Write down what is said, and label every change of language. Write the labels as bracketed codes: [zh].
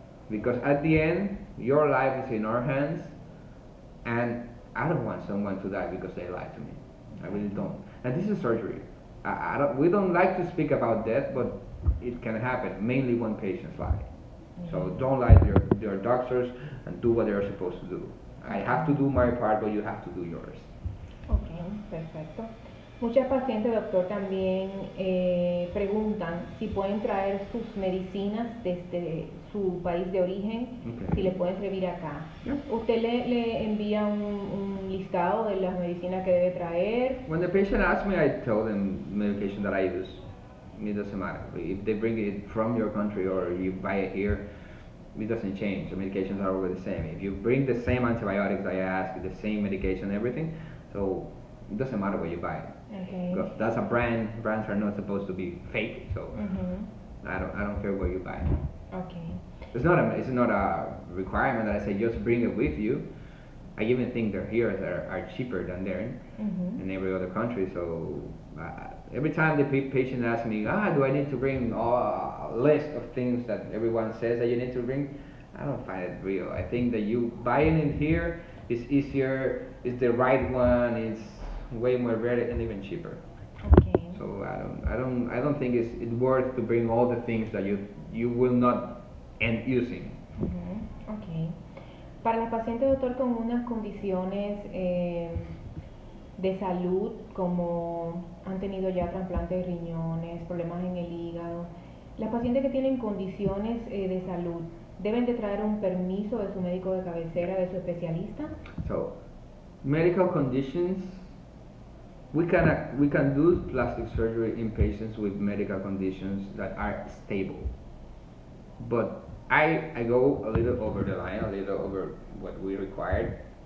[en] Because at the end, your life is in our hands, and I don't want someone to die because they lied to me. I really don't. And this is surgery. We don't like to speak about death, but it can happen, mainly when patients lie. Mm-hmm. So don't lie to your doctors and do what they are supposed to do. I have to do my part, but you have to do yours. [es] Okay, perfecto. Muchas pacientes, doctor, también preguntan si pueden traer sus medicinas desde su país de origen, okay. Si le pueden servir acá. [en] Yeah. [es] ¿Usted le envía un listado de las medicinas que debe traer? [en] When the patient asks me, I tell them medication that I use. It doesn't matter. If they bring it from your country or you buy it here, it doesn't change. The medications are always the same. If you bring the same antibiotics I ask, the same medication, everything, so it doesn't matter what you buy. Okay. Because that's a brand. Brands are not supposed to be fake. So mm-hmm. I don't care what you buy. Okay. It's not a requirement that I say just bring it with you. I even think they're here that are cheaper than there mm-hmm. in every other country. So every time the patient asks me, do I need to bring a list of things that everyone says that you need to bring? I don't find it real. I think that you buying it here is easier. It's the right one. It's way more rare and even cheaper. Okay. So I don't think it's worth to bring all the things that you will not end using. Mm-hmm. Okay. [es] Para los pacientes, doctor, con unas condiciones de salud, como han tenido ya trasplantes de riñones, problemas en el hígado, las pacientes que tienen condiciones de salud, ¿deben de traer un permiso de su médico de cabecera, de su especialista? [en] So, medical conditions, we can do plastic surgery in patients with medical conditions that are stable. But I go a little over the line, a little over what we required.